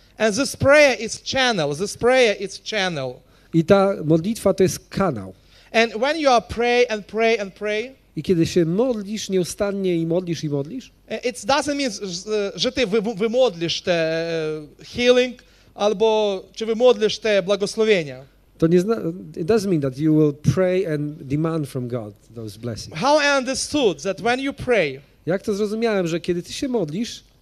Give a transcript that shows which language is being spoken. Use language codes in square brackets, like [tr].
[en] And this prayer is channel. [pl] I ta modlitwa to jest kanał. [en] And when you are pray. [pl] I kiedy się modlisz nieustannie i modlisz. [en] It doesn't mean, [pl] że ty wymodlisz te healing, albo czy wymodlisz te błogosławienia. To nie [en] it doesn't mean that you will pray and demand from God those blessings. How I understood that when you pray. [pl] Jak to zrozumiałem, że kiedy ty się modlisz.